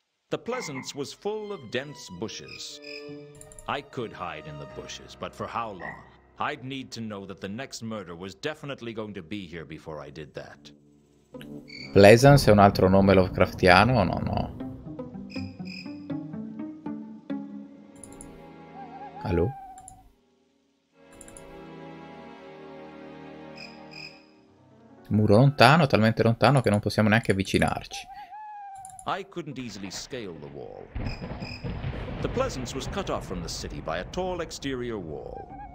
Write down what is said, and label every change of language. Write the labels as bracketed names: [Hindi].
[English] The Pleasance was full of dense bushes. I could hide in the bushes, but for how long? I'd need to know that the next murder was definitely going to be here before I did that. [Italian] Pleasance è un altro nome lovecraftiano o no? Allo? muro lontano, talmente lontano che non possiamo neanche avvicinarci. [English] I couldn't easily scale the wall. The Pleasance was cut off from the city by a tall exterior wall.